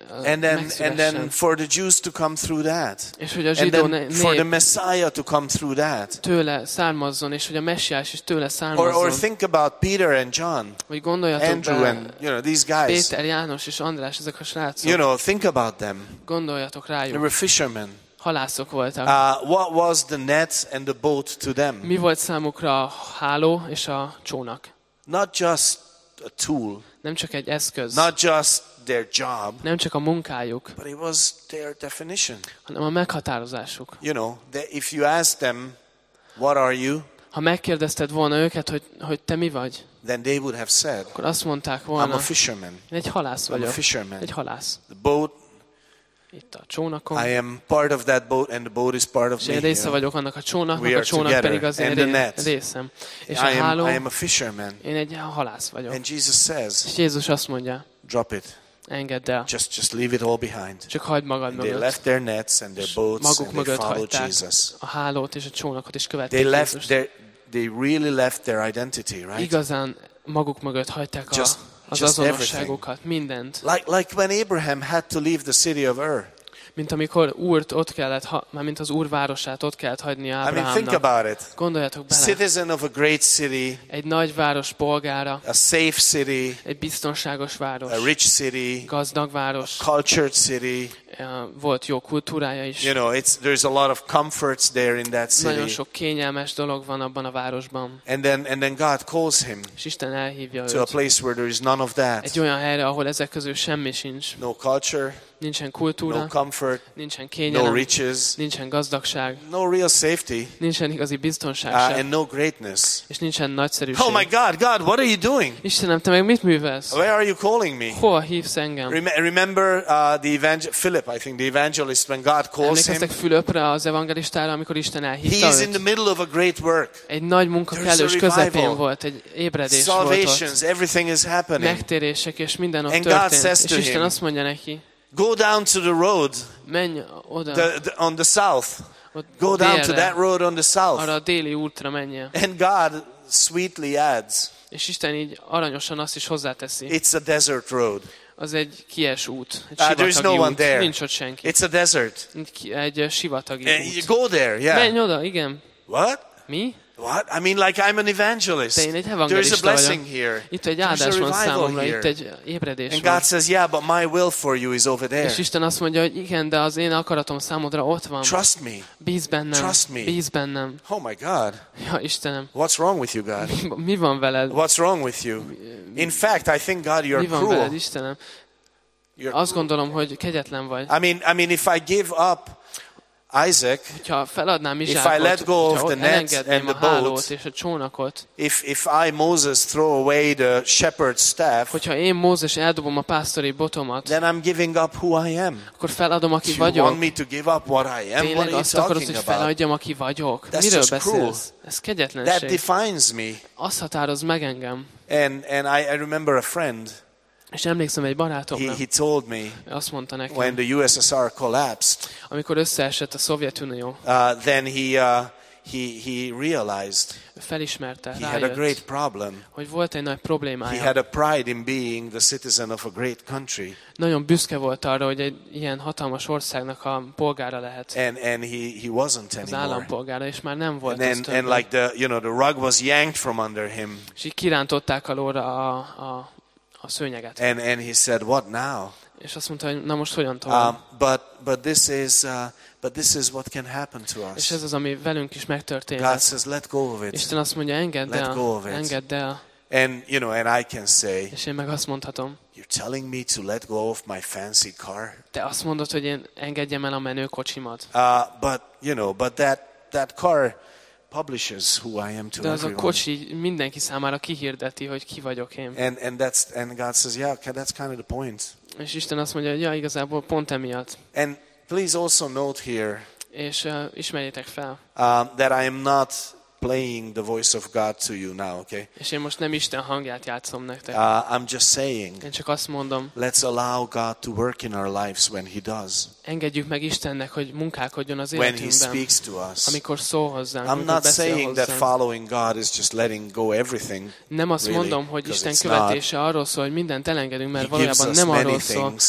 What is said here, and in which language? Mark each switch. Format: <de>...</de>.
<en>and then for the Jews to come through that.</en> <hu>És hogy a zsidó</hu> <en>for the Messiah to come through that.</en> <hu>Tőle származzon, és hogy a Messiás is tőle származzon.</hu> <en>Or think about Peter and John.</en> <hu>Vagy gondoljatok</hu> <en>Andrew</en> <hu>be,</hu> <en>and you know these guys.</en> <hu>Péter, János és András, ezek a srácok.</hu> <en>You know, think about them.</en> <hu>Gondoljatok rájuk.</hu> <en>They were fishermen.</en> <hu>Halászok voltak.</hu> <en>What was the net and the boat to them?</en> <hu>Mi volt számukra a háló és a csónak?</hu> <en>Not just a tool.</en> <hu>Nem csak egy eszköz.</hu> <en>Not just their job.</en> <hu>Nem csak a munkájuk.</hu> <en>But it was their definition.</en> <hu>Hanem a meghatározásuk.</hu> <en>You know, if you ask them, what are you?</en> <hu>Ha megkérdezted volna őket, hogy te mi vagy?</hu> <en>Then they would have said.</en> <hu>Akkor azt mondták volna.</hu> <en>I'm a fisherman.</en> <hu>Én egy halász vagyok.</hu> <en>I'm a fisherman.</en> <hu>Egy halász.</hu> <en>The boat.</en> <hu>Itt a csónakom.</hu> <en>I am part of that boat and the boat is part of me.</en> <hu>És én része vagyok annak a csónaknak, a csónak pedig az én részem. És a háló.</hu> <en>I am a fisherman.</en> <hu>Én egy halász vagyok.</hu> <en>And Jesus says.</en> <hu>És Jézus azt mondja.</hu> <en>Drop it.</en> <hu>Engedd el.</hu> <en>Just leave it all behind.</en> <hu>Csak hagyd magad mögött.</hu> <en>They left their nets and their boats</en> <hu>maguk</hu> <en>and they followed Jesus.</en> <hu>A hálót és a csónakot is követték.</hu> <en>They left their, they really left their identity, right?</en> <hu>Igazán maguk mögött hagyták az azonosságukat, mindent.</hu> <en>Like when Abraham had to leave the city of Ur.</en> <hu>Mint amikor Úrt ott kellett, már mint az Úr városát ott kellett hagyni Ábrahámnak.</hu> <en>I mean, think about it.</en> <hu>Gondoljatok bele.</hu> <en>Citizen of a great city.</en> <hu>Egy nagy város polgára.</hu> <en>A safe city.</en> <hu>Egy biztonságos város.</hu> <en>A rich city.</en> <hu>Gazdag város.</hu> <en>A cultured city.</en> <hu>Volt jó kultúrája is.</hu> <en>You know, there's a lot of comforts there in that city.</en> <hu>Nagyon sok kényelmes dolog van abban a városban.</hu> <en>And then God calls him.</en> <hu>És Isten elhívja őt.</hu> <en>To a place where there is none of that.</en> <hu>Egy olyan helyre, ahol ezek közül semmi sincs.</hu> <en>No culture.</en> <hu>Nincsen kultúra,</hu> <en>no comfort,</en> <hu>nincsen kényelem,</hu> <en>no riches,</en> <hu>nincsen gazdagság,</hu> <en>no real safety,</en> <hu>nincsen igazi biztonság,</hu> <en>and no greatness.</en> <hu>És nincsen nagyszerűség.</hu> <en>Oh my God, God, what are you doing?</en> <hu>Istenem, te meg mit művelsz?</hu> <en>Where are you calling me?</en> <hu>Hova hívsz engem?</hu> <en>Remember the evangelist Philip, I think the evangelist when God calls him.</en> <hu>Emlékeztek Fülöpre, az evangelistára, amikor Isten elhívta őt.</hu> <en>He is in the middle of a great work.</en> <hu>Egy nagy munka kellős közepén volt, egy ébredés volt.</hu> <en>Salvations, everything is happening.</en> <hu>Megtérések és minden ott történt. És Isten azt mondja neki.</hu> <en>Go down to the road.</en> <hu>Menj oda.</hu> <en>On the south. Go down to that road on the south.</en> <hu>Arra a déli útra menj.</hu> <en>And God sweetly adds.</en> <hu>És Isten így aranyosan azt is hozzáteszi.</hu> <en>It's a desert road.</en> <hu>Az egy kies út, egy sivatagi</hu> <en>there's no</en> <hu>út.</hu> <en>One there.</en> <hu>Nincs ott senki.</hu> <en>It's a desert.</en> <hu>Egy sivatagi út.</hu> <en>Go there, yeah.</en> <hu>Menj oda, igen.</hu> <en>What?</en> <hu>Mi?</hu> <en>What? I mean, like I'm an evangelist. There's a blessing here.</en> <hu>Itt egy áldás van számomra. Itt egy ébredés.</hu> <en>And God says, yeah, but my will for you is over there.</en> <hu>És Isten azt mondja, hogy igen, de az én akaratom számodra ott van.</hu> <en>Trust me.</en> <hu>Bíz bennem.</hu> <en>Trust me.</en> <hu>Bíz bennem.</hu> <en>Oh my God.</en> <hu>Ja, Istenem.</hu> <en>What's wrong with you, God?</en> <hu>Mi van veled?</hu> <en>What's wrong with you? In fact, I think God, you're cruel.</en> <hu>Mi van veled, Istenem? Azt gondolom, hogy kegyetlen vagy.</hu> <en>I mean, if I give up. Isaac, if I let go of the net and the boat, if I, Moses, throw away the shepherd's staff, then I'm giving up who I am. Do you want me to give up what I am? What are you talking about? That's just cruel.</en> <hu>Ez kegyetlenség.</hu> <en>That defines me.</en> <hu>Azt határoz meg engem.</hu> <en>And I remember a friend.</en> <hu>És emlékszem egy barátomra.</hu> <en>He told me.</en> <hu>Azt mondta nekem.</hu> <en>When the USSR collapsed.</en> <hu>Amikor összeesett a Szovjetunió.</hu> <en>Then he realized.</en> <hu>Felismerte,</hu> <en>he had a great problem.</en> <hu>Hogy volt egy nagy problémája.</hu> <en>He had a pride in being the citizen of a great country.</en> <hu>Nagyon büszke volt arra, hogy egy ilyen hatalmas országnak a polgára lehet.</hu> <en>And he wasn't anymore.</en> <hu>Az állampolgára, és már nem volt.</hu> <en>And like the, you know, the rug was yanked from under him.</en> <hu>És így kirántották alóra a szőnyeget.</hu> <en>And he said, what now?</en> <hu>És azt mondta, hogy na most hogyan tovább?</hu> <en>But this is what can happen to us.</en> <hu>És ez az, ami velünk is megtörténhet.</hu> <en>God says, let go of it.</en> <hu>Isten azt mondja, engedd</hu> <en>let</en> <hu>el.</hu> <en>Go of it.</en> <hu>Engedd el.</hu> <en>And you know, and I can say.</en> <hu>És én meg azt mondhatom.</hu> <en>You're telling me to let go of my fancy car?</en> <hu>Te azt mondod, hogy én engedjem el a menő kocsimat.</hu> <en>But you know, but that car publishes who I am to everyone.</en> <hu>De az a kocsi mindenki számára kihirdeti, hogy ki vagyok én.</hu> <en>And God says, yeah, okay, that's kind of the point.</en> <hu>És Isten azt mondja, hogy ja, igazából pont emiatt.</hu> <en>And please also note here.</en> <hu>És ismerjétek fel.</hu> <en>That I am not playing the voice of God to you now, okay?</en> <hu>És én most nem Isten hangját játszom nektek.</hu> <en>I'm just saying.</en> <hu>Én csak azt mondom.</hu> <en>Let's allow God to work in our lives when He does.</en> <hu>Engedjük meg Istennek, hogy munkálkodjon az életünkben.</hu> <en>When He speaks to us.</en> <hu>Amikor szól hozzánk.</hu> <en>I'm not saying</en> <hu>hozzánk.</hu> <en>That following God is just letting go everything.</en> <hu>Nem azt mondom,</hu> <en>really,</en> <hu>hogy Isten követése arról szól, hogy mindent elengedünk, mert valójában nem arról szól.</hu>